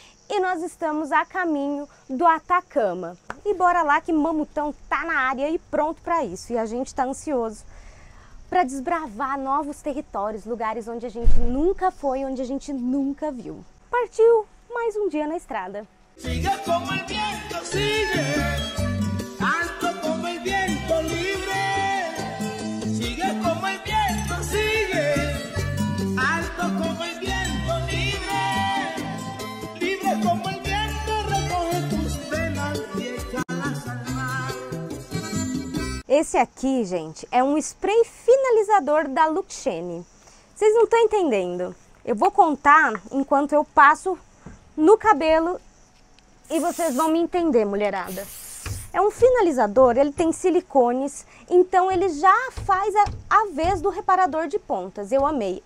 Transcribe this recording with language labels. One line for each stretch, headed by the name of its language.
Portuguese: E nós estamos a caminho do Atacama. E bora lá que Mamutão tá na área e pronto para isso. E a gente está ansioso para desbravar novos territórios, lugares onde a gente nunca foi, onde a gente nunca viu. Partiu mais um dia na estrada.
Spanish: Sigue como el viento sigue, alto como el viento libre. Sigue como el viento sigue, alto como el viento libre. Libre como el viento recoge tus penas y echa las al mar.
Portuguese: Esse aqui, gente, é um spray finalizador da Luxene. Vocês não estão entendendo. Eu vou contar enquanto eu passo no cabelo. E vocês vão me entender, mulherada. É um finalizador, ele tem silicones, então ele já faz a vez do reparador de pontas. Eu amei.